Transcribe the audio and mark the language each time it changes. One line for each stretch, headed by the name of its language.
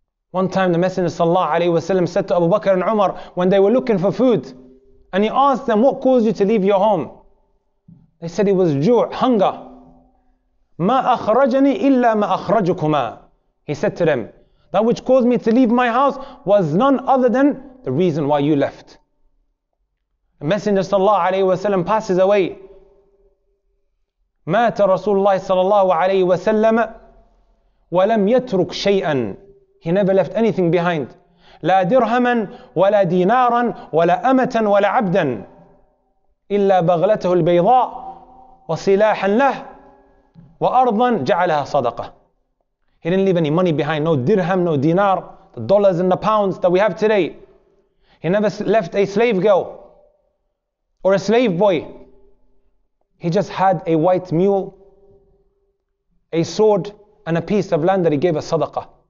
English: One time the Messenger sallallahu alayhi wa sallam said to Abu Bakr and Umar, when they were looking for food, and he asked them, what caused you to leave your home? They said it was ju', hunger.
Arabic: مَا أَخْرَجَنِي إِلَّا مَا أَخْرَجُكُمَا.
English: He said to them, that which caused me to leave my house was none other than the reason why you left. The Messenger sallallahu alayhi wa sallam passes away.
Arabic: مات رسول الله صلى الله عليه وسلم ولم يترك شيئا.
English: He never left anything behind.
Arabic: لا درهما ولا دينارا ولا أمة ولا عبدا إلا بغلته البيضاء وسلاحا له وأرضا جعلها صدقة.
English: He didn't leave any money behind. No dirham, no dinar, the dollars and the pounds that we have today. He never left a slave girl or a slave boy. He just had a white mule, a sword, and a piece of land that he gave as sadaqah.